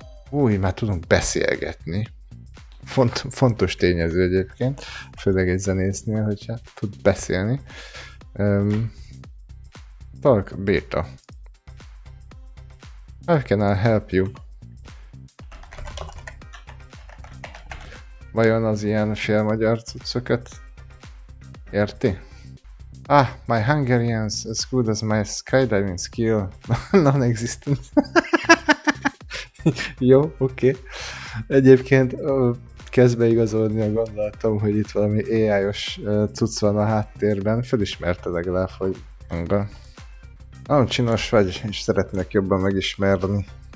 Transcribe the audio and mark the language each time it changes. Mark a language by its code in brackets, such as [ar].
[hu] Új, már tudunk beszélgetni. Fontos tényező egyébként, főleg egy zenésznél, hogyha tud beszélni. [en] Talk beta. How can I help you? [hu] Vajon az ilyen fél magyar cuccokat érti? [en] Ah, my Hungarian is as good as my skydiving skill. Non-existent. [hu] Jó, oké. Okay. Egyébként kezd beigazolni a gondolatom, hogy itt valami AI-os cucc van a háttérben. Felismerte legalább, hogy angol. Nagyon csinos vagy, és szeretnék jobban megismerni.